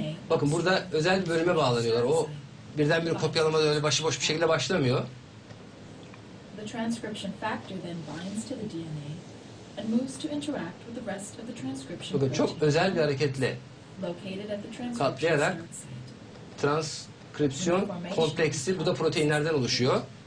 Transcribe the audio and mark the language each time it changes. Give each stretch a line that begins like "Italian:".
Turkish: Bakın burada özel bir bölüme bağlanıyorlar. O birdenbire kopyalamada öyle başıboş bir şekilde başlamıyor.
English: The transcription factor then binds to the DNA and moves to interact with the rest of the transcription protein.
Turkish: Çok özel bir hareketle katlayarak transkripsiyon kompleksi, bu da proteinlerden oluşuyor.